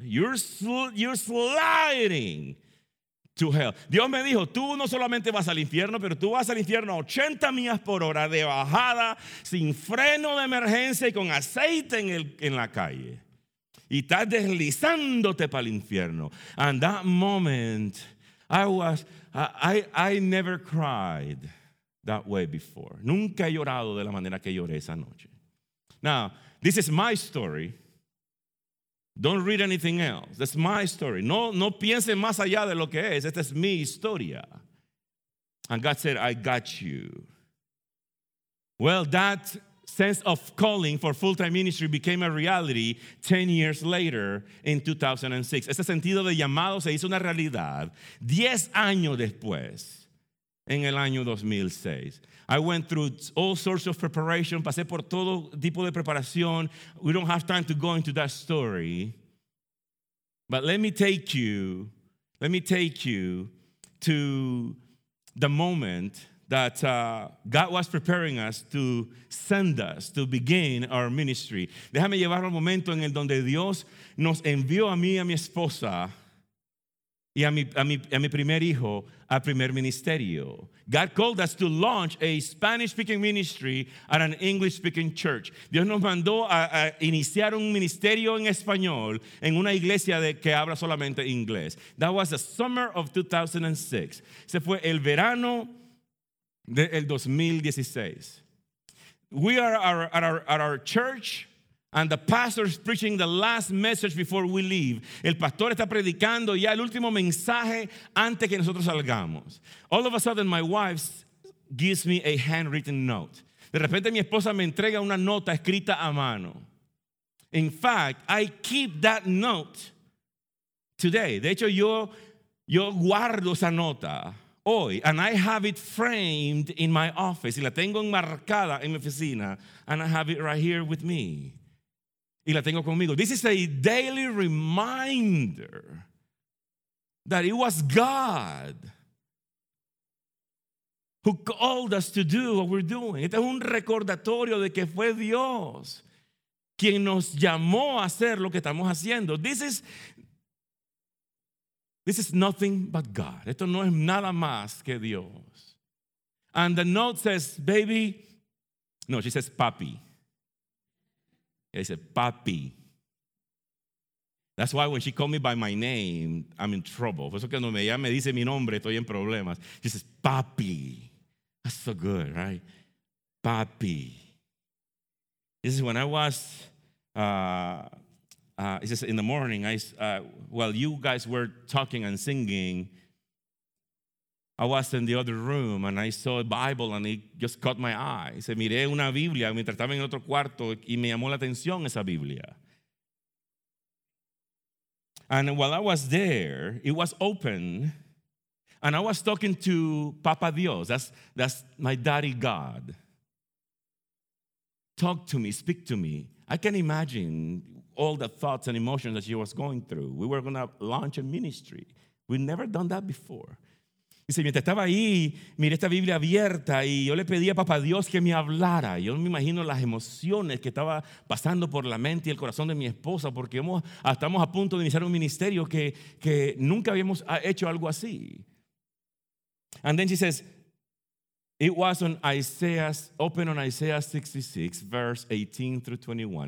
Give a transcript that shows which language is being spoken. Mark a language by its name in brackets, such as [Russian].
[English] You're sliding to hell. [Spanish] Dios me dijo, tú no solamente vas al infierno, pero tú vas al infierno a 80 millas por hora de bajada, sin freno de emergencia y con aceite en la calle. Y estás deslizándote para el infierno. [English] And that moment, I never cried that way before. [Spanish] Nunca he llorado de la manera que lloré esa noche. [English] Now, this is my story. Don't read anything else. That's my story. [Spanish] No piense más allá de lo que es. Esta es mi historia. [English] And God said, I got you. Well, that sense of calling for full-time ministry became a reality 10 years later in 2006. [Spanish] Ese sentido de llamado se hizo una realidad 10 años después, en el año 2006. [English] I went through all sorts of preparation. [Spanish] Pasé por todo tipo de preparación. [English] We don't have time to go into that story. But let me take you to the moment that God was preparing us to send us to begin our ministry. [Spanish] Déjame llevar al momento en el donde Dios nos envió a mí y a mi esposa y a mi primer hijo al primer ministerio. [English] God called us to launch a Spanish-speaking ministry at an English-speaking church. [Spanish] Dios nos mandó a iniciar un ministerio en español en una iglesia que habla solamente inglés. [English] That was the summer of 2006. [Spanish] Se fue el verano del 2016. [English] We are at our church, and the pastor is preaching the last message before we leave. [Spanish] El pastor está predicando ya el último mensaje antes que nosotros salgamos. [English] All of a sudden, my wife gives me a handwritten note. [Spanish] De repente, mi esposa me entrega una nota escrita a mano. [English] In fact, I keep that note today. [Spanish] De hecho, yo guardo esa nota hoy, [English] and I have it framed in my office. [Spanish] Y la tengo enmarcada en mi oficina, [English] and I have it right here with me. [Spanish] Y la tengo conmigo. [English] This is a daily reminder that it was God who called us to do what we're doing. [Spanish] Este es un recordatorio de que fue Dios quien nos llamó a hacer lo que estamos haciendo. [English] This is nothing but God. [Spanish] Esto no es nada más que Dios. [English] And the note says, baby. No, she says, papi. I said, papi. That's why when she called me by my name, I'm in trouble. [Spanish] Por eso que cuando ella me dice mi nombre, estoy en problemas. [English] She says, papi. That's so good, right? Papi. This is when I was, while you guys were talking and singing, I was in the other room and I saw a Bible and it just caught my eye. [Spanish] Se miré una Biblia mientras estaba en otro cuarto y me llamó la atención esa Biblia. [English] And while I was there, it was open and I was talking to Papa Dios. That's my daddy God. Talk to me, speak to me. I can imagine all the thoughts and emotions that she was going through. We were going to launch a ministry. We've never done that before. [Spanish] Dice, mientras estaba ahí, miré esta Biblia abierta y yo le pedí a Papá Dios que me hablara. Yo me imagino las emociones que estaba pasando por la mente y el corazón de mi esposa porque estamos a punto de iniciar un ministerio que nunca habíamos hecho algo así. [English] And then she says, it was on Isaiah 66, verse 18 through 21.